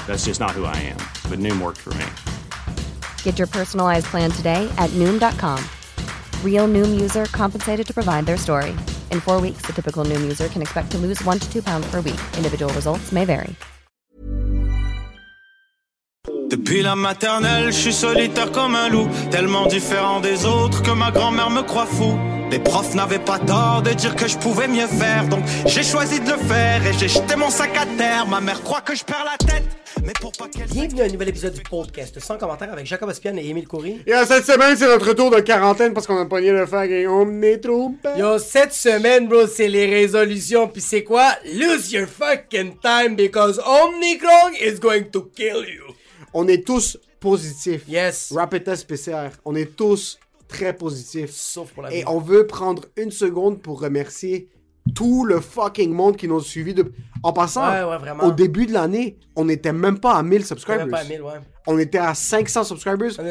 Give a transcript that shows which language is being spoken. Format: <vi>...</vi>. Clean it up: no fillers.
<en>That's just not who I am. But Noom worked for me. Get your personalized plan today at Noom.com. Real Noom user compensated to provide their story. In 4 weeks, the typical Noom user can expect to lose 1 to 2 pounds per week. Individual results may vary.</en> <fr>Depuis la maternelle, je suis solitaire comme un loup, tellement différent des autres que ma grand-mère me croit fou. Les profs n'avaient pas tort de dire que je pouvais mieux faire, donc j'ai choisi de le faire et j'ai jeté mon sac à terre. Ma mère croit que je perds la tête, mais pour pas qu'elle... Bienvenue à un nouvel épisode du podcast sans commentaires avec Jacob Espian et Émile Coury. Yo, cette semaine, c'est notre tour de quarantaine parce qu'on a pogné le fer et on est trop... Yo, cette semaine, bro, c'est les résolutions, puis c'est quoi?</fr> <en>Lose your fucking time because Omicron is going to kill you.</en> <fr>On est tous positifs.</fr> <en>Yes. Rapid test PCR.</en> <fr>On est tous très positifs. Sauf pour la vie. Et on veut prendre une seconde pour remercier tout le fucking monde qui nous a suivis. De... En passant, ouais, au début de l'année, on n'était même pas à 1000 subscribers. On était à 1000, ouais. On était à 500 subscribers.</fr>